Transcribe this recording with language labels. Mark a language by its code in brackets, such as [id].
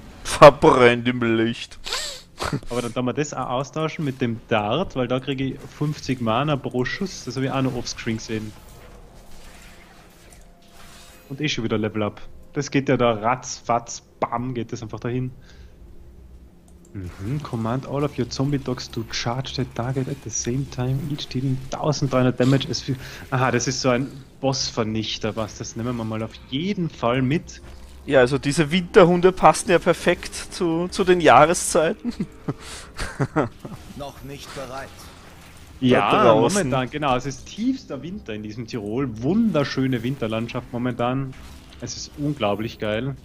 [de] Verbrennt im Licht. Aber dann darf man das auch austauschen mit dem Dart, weil da kriege ich 50 Mana pro Schuss. Das habe ich auch noch offscreen gesehen. Und eh schon wieder Level Up. Das geht ja da ratzfatz, bam, geht das einfach dahin. [en] Mhm, command all of your zombie dogs to charge the target at the same time, each dealing 1300 damage. [de] Aha, das ist so ein Boss-Vernichter, was? Das nehmen wir mal auf jeden Fall mit. Ja, also diese Winterhunde passen ja perfekt zu den Jahreszeiten. Noch nicht bereit. Ja, momentan, genau, es ist tiefster Winter in diesem Tirol, wunderschöne Winterlandschaft momentan, es ist unglaublich geil.